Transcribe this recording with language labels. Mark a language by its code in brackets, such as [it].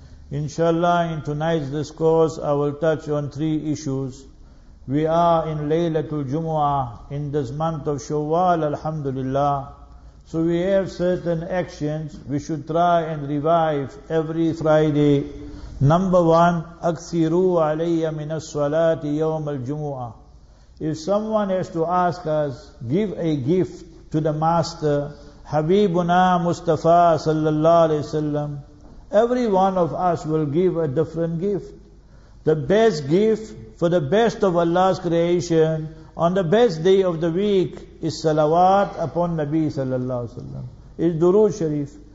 [en] Inshallah, in tonight's discourse, I will touch on three issues. We are in Laylatul Jumu'ah, in this month of Shawwal, alhamdulillah. So we have certain actions we should try and revive every Friday. Number one, [ar] أَكْثِرُوا عَلَيَّ مِنَ الصَّلَاةِ يَوْمَ الْجُمُعَةِ. [en] If someone has to ask us, give a gift to the Master, Habibuna Mustafa sallallahu alayhi wa sallam, every one of us will give a different gift. The best gift for the best of Allah's creation on the best day of the week is salawat upon Nabi sallallahu alaihi wasallam. Is durood sharif.